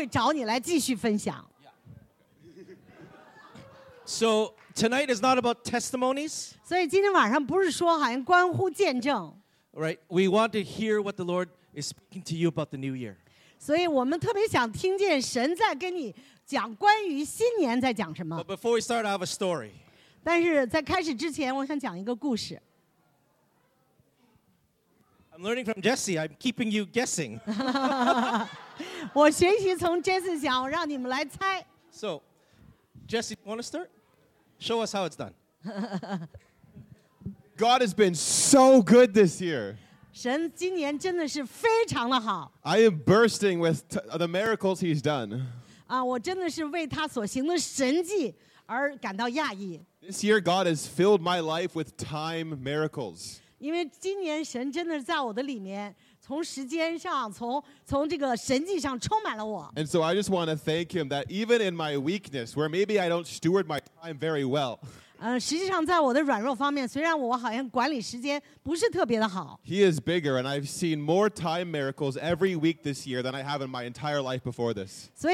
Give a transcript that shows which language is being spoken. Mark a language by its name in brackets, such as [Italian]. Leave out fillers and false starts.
[Chinese] 所以最好的是让每个人都很渴慕，下来之后他们会找你来继续分享。 [English] So tonight is not about testimonies. [Chinese] 所以今天晚上不是说好像关乎见证。 [English] Right, we want to hear what the Lord is speaking to you about the new year. [Chinese] 所以我们特别想听见神在跟你 [English] But before we start, I have a story. [Chinese] 但是在开始之前，我想讲一个故事。 [English] I'm learning from Jesse. I'm keeping you guessing. [Chinese] 我学习从Jesse讲，让你们来猜。 [English] So, Jesse, want to start? Show us how it's done. God has been so good this year. [Chinese] 神今年真的是非常的好。 [English] I am bursting with the miracles he's done. [Chinese] 我真的是为他所行的神迹而感到讶异。 [English] This year, God has filled my life with time miracles. [Chinese] 因为今年神真的在我的里面，从时间上，从这个神迹上充满了我。 [English] And so I just want to thank him that even in my weakness, where maybe I don't steward my time very well, [Chinese] 实际上在我的软弱方面，虽然我好像管理时间不是特别的好。 [English] He is bigger, and I've seen more time miracles every week this year than I have in my entire life before this.